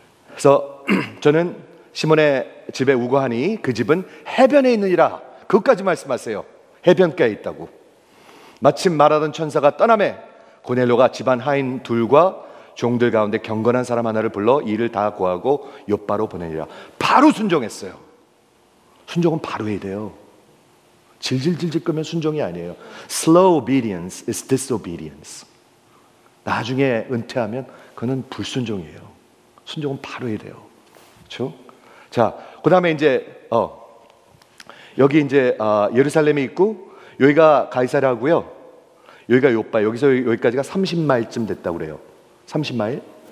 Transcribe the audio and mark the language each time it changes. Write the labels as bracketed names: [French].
[Korean] 그래서 저는 시몬의 집에 우거하니 그 집은 해변에 있느니라. 그것까지 말씀하세요. 해변가에 있다고. 마침 말하던 천사가 떠나매 고넬료가 집안 하인 둘과 종들 가운데 경건한 사람 하나를 불러 이를 다 구하고 욥바로 보내니라. 바로 순종했어요. 순종은 바로 해야 돼요. 질질질질 끄면 순종이 아니에요. [English] Slow obedience is disobedience. [Korean] 나중에 은퇴하면 그건 불순종이에요. 순종은 바로 해야 돼요. 그렇죠? 자, 그 다음에 이제 여기 이제 예루살렘이 있고 여기가 가이사라고요. 여기가 욥바. 여기서 여기까지가 30마일쯤 됐다고 그래요. 30마일?